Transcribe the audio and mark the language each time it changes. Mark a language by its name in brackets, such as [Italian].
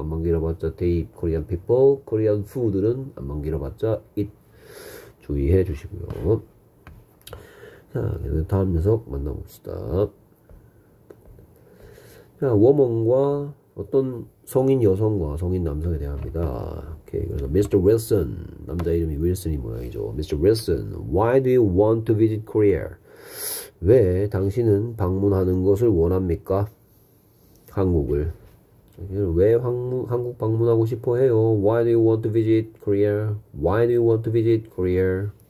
[Korean] 안만 길어봤자 [English] they, Korean people, Korean food [Korean] 는 안만 길어봤자 it. 주의해 주시고요. 자, 다음 녀석 만나봅시다. 자, 워먼과 어떤 성인 여성과 성인 남성에 대합니다. 오케이, 그래서 Mr. Wilson 남자 이름이 윌슨이 모양이죠. Mr. [English] Wilson, why do you want to visit Korea? [Korean] 왜 당신은 방문하는 것을 원합니까? 한국을 왜 한국 방문하고 싶어 해요? [English] Why do you want to visit Korea? Why do you want to visit Korea?